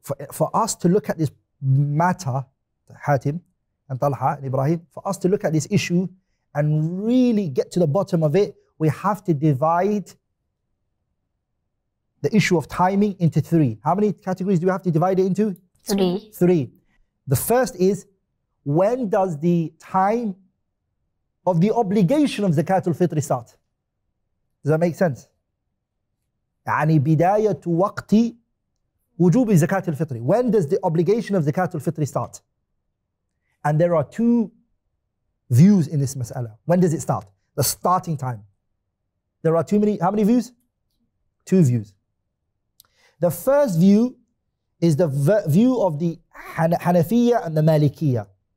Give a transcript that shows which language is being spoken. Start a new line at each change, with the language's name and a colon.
English: For us to look at this matter, Hatim and Talha and Ibrahim, for us to look at this issue and really get to the bottom of it, we have to divide the issue of timing into three. How many categories do we have to divide it into? Three. The first is, when does the time of the obligation of Zakat al-Fitr start? Does that make sense?
Arabic: يعني بداية وقت وجوب زكاة الفطر.
English: When does the obligation of zakat al-fitr start? And there are two views in this mas'ala. When does it start? The starting time. There are too many, how many views? Two views. The first view is the view of the Hanafiya and the Malikiya.